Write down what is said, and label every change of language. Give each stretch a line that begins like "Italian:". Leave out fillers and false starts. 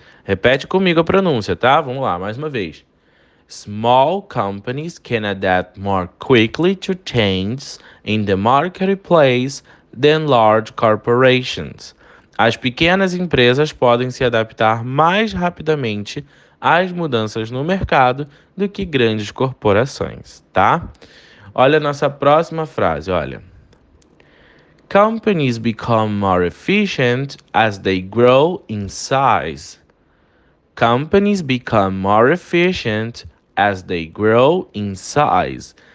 Portuguese: Repete comigo a pronúncia, tá? Vamos lá, mais uma vez.
English: Small companies can adapt more quickly to change in the marketplace than large corporations.
Portuguese: As pequenas empresas podem se adaptar mais rapidamente às mudanças no mercado do que grandes corporações, tá? Olha a nossa próxima frase, olha.
English: Companies become more efficient as they grow in size. Companies become more efficient as they grow in size.